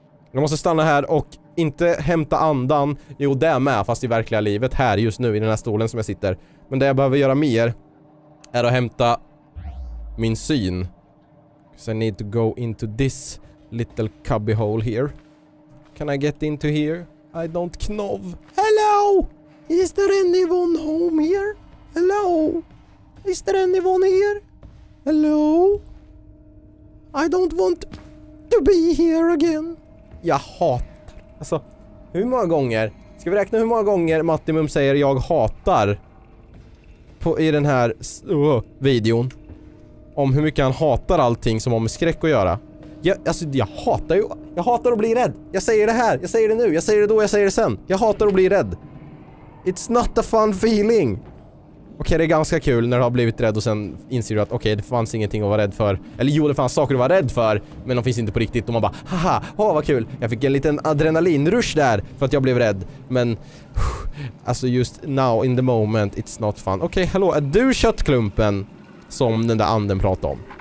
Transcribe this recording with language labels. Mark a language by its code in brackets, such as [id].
[sv] Jag måste stanna här och inte hämta andan. Jo, det är med, fast i verkliga livet. Här just nu i den här stolen som jag sitter. Men det jag behöver göra mer är att hämta min syn. [en] Because I need to go into this little cubby hole here. Can I get into here? I don't know. Hello! Is there anyone home here? Hello! Is there anyone here? Hello? I don't want to be here again. [sv] Jag hatar. Alltså, hur många gånger? Ska vi räkna hur många gånger Mattimum säger jag hatar? På, i den här videon. Om hur mycket han hatar allting som har med skräck att göra. Jag hatar att bli rädd. Jag säger det här. Jag säger det nu. Jag säger det då. Jag säger det sen. Jag hatar att bli rädd. [en] It's not a fun feeling. [sv] Okej, det är ganska kul när du har blivit rädd och sen inser du att okej, det fanns ingenting att vara rädd för. Eller jo, det fanns saker att vara rädd för, men de finns inte på riktigt. Och man bara, haha, oh, vad kul. Jag fick en liten adrenalinrush där för att jag blev rädd. Men, alltså [en] just now in the moment, it's not fun. [sv] Okej, hallå, är du köttklumpen som den där anden pratade om?